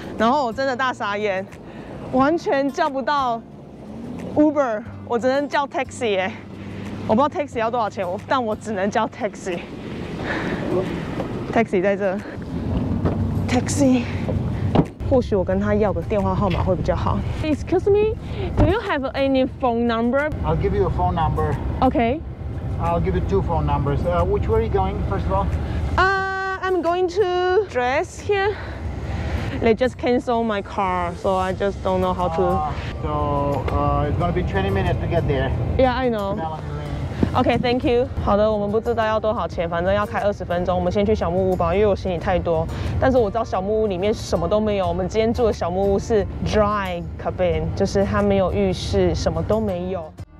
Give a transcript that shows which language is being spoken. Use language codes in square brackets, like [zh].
[zh] 然后我真的大傻眼，完全叫不到 Uber， 我只能叫 taxi 耶。我不知道 taxi 要多少钱，但我只能叫 taxi。taxi 在这。taxi。或许我跟他要个电话号码会比较好。 [en] Excuse me, do you have any phone number? I'll give you a phone number. Okay. I'll give you two phone numbers. Which way are you going, first of all? I'm going to dress here. They just canceled my car, so I just don't know how to. It's gonna be 20 minutes to get there. Yeah, I know. Okay, thank you. [zh] 好的，我们不知道要多少钱，反正要开20分钟。我们先去小木屋吧，因为我行李太多。但是我知道小木屋里面什么都没有。我们今天住的小木屋是 dry cabin， 就是它没有浴室，什么都没有。